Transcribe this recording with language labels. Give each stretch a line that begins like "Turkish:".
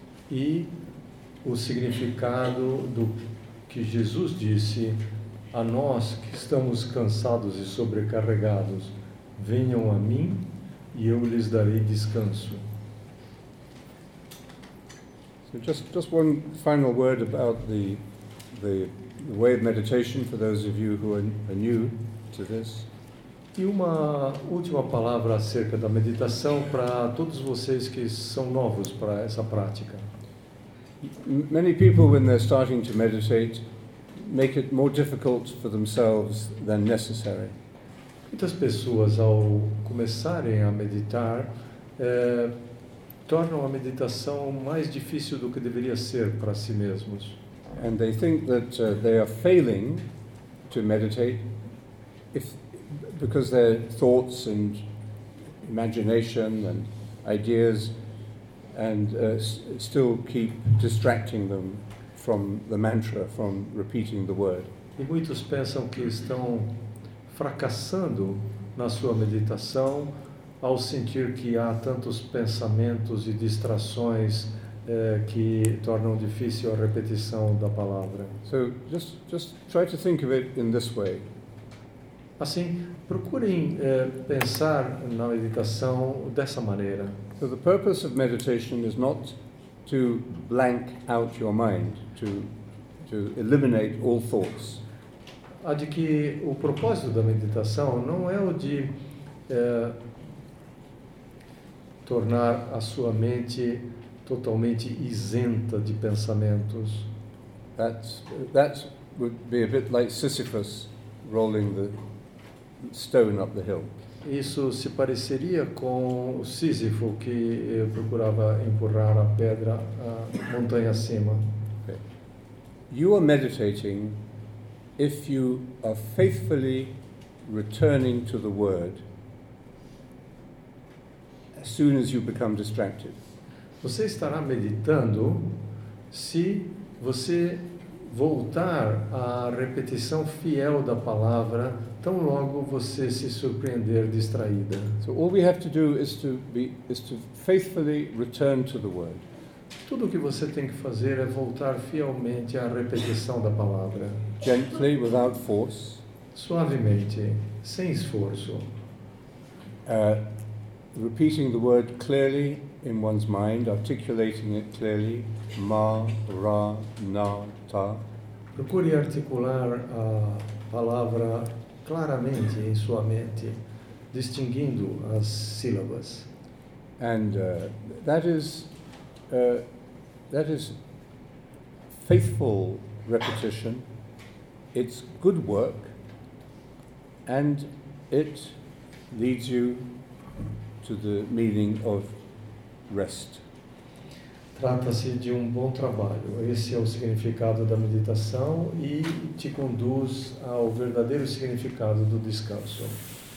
Portuguese: E o significado do que Jesus disse a nós que estamos cansados e sobrecarregados, venham a mim e eu lhes darei descanso.
English: Just one final word about the way of meditation for those of you who are new to this.
Portuguese: E uma última palavra acerca da meditação para todos vocês que são novos para essa prática.
English: Many people, when they're starting to meditate, make it more difficult for themselves than necessary.
Portuguese: Muitas pessoas, ao começarem a meditar, tornam a meditação mais difícil do que deveria ser para si mesmos.
English: And they think that they are failing to meditate because their thoughts and imagination and ideas and still keep distracting them from the mantra, from repeating the word.
Portuguese: E muitos pensam que estão fracassando na sua meditação ao sentir que há tantos pensamentos e distrações que tornam difícil a repetição da palavra.
English: So just try to think of it in this way.
Portuguese: Assim, procurem pensar na meditação dessa maneira.
English: So the purpose of meditation is not to blank out your mind, to eliminate all thoughts.
Portuguese: A de que o propósito da meditação não é o de tornar a sua mente totalmente isenta de pensamentos.
English: That would be a bit like Sisyphus rolling the stone up the hill.
Portuguese: Isso se pareceria com o Sísifo que procurava empurrar a pedra a montanha acima. Okay.
English: You are meditating if you are faithfully returning to the word as soon as you become distracted.
Portuguese: Você estará meditando se você voltar à repetição fiel da palavra tão logo você se surpreender distraída.
English: So all we have to do is to faithfully return to the word.
Portuguese: Tudo o que você tem que fazer é voltar fielmente à repetição da palavra.
English: Gently, without force.
Portuguese: Suavemente, sem esforço.
English: Repeating the word clearly in one's mind, articulating it clearly. Ma, ra, na, ta.
Portuguese: Procure articular a palavra claramente em sua mente, distinguindo as sílabas.
English: And that is faithful repetition. It's good work, and it leads you to the meaning of rest.
Portuguese: Trata-se de um bom trabalho. Esse é o significado da meditação e te conduz ao verdadeiro significado do descanso.